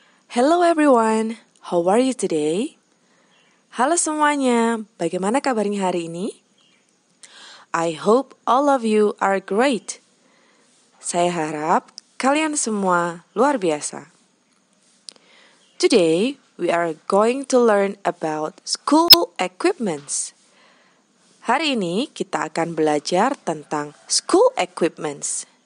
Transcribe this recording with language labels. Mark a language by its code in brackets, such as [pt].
[en] Hello everyone, how are you today? [id] Halo semuanya, bagaimana kabarnya hari ini? [en] I hope all of you are great. [id] Saya harap kalian semua luar biasa. [en] Today, we are going to learn about school equipments. [id] Hari ini, kita akan belajar tentang school equipments.